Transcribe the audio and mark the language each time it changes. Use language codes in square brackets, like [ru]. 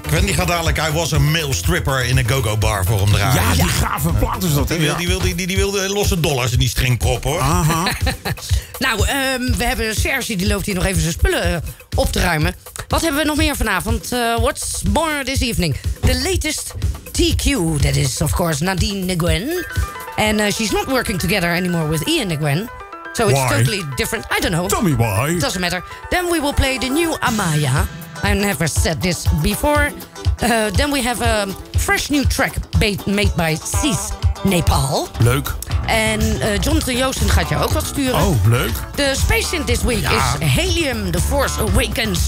[nl] Quentin die gaat dadelijk, hij was een male stripper in een go-go bar voor hem draaien. Ja, die gave plaat is dat. Die, ja. die wilde losse dollars in die string proppen, hoor. Aha. Nou, we hebben Sergi, die loopt hier nog even zijn spullen op te ruimen. Wat hebben we nog meer vanavond? [en] What's more this evening? The latest TQ, that is of course Nadine Le Guin. And she's not working together anymore with Ian Le Guin. So it's totally different. I don't know. Tell me why. Doesn't matter. Then we will play the new Amaya. I never said this before. Then we have a fresh new track made by Cis Nepal. [nl] Leuk. En Jonathan Joosten gaat jou ook wat sturen. Oh, leuk. [en] De Space Synth this week is Helium, The Force Awakens.